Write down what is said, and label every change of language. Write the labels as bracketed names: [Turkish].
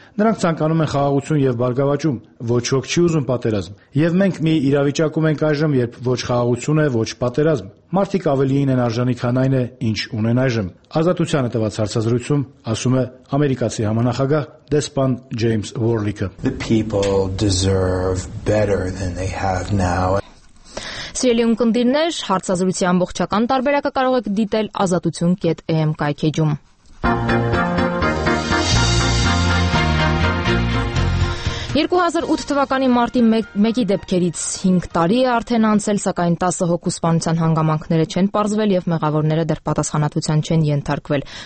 [Armenian] Նրանք ցանկանում են խաղաղություն եւ բարգավաճում, ոչ ոք չի ուզում պատերազմ։ Եվ մենք մի իրավիճակում ենք այժմ, երբ ոչ խաղաղություն է, ոչ պատերազմ։ Մարդիկ ավելի են արժանի, քան այն է, ինչ ունեն այժմ։ Ազատությանը տված հարցազրույցում ասում է ամերիկացի համանախագահ դեսպան Ջեյմս Ուորլիքը. [English] The people deserve better than they have now. [Armenian] Սիրելի ուղդիրներ, հարցազրույցի ամբողջական տարբերակը կարող եք դիտել ազատություն.am կայքեջում։ 2008 թվականի մարտի 1-ի դեպքերից 5 տարի է արդեն անցել, սակայն 10 հոգու սպանության հանգամանքները չեն պարզվել եւ մեղավորները դեռ պատասխանատվության չեն ենթարկվել։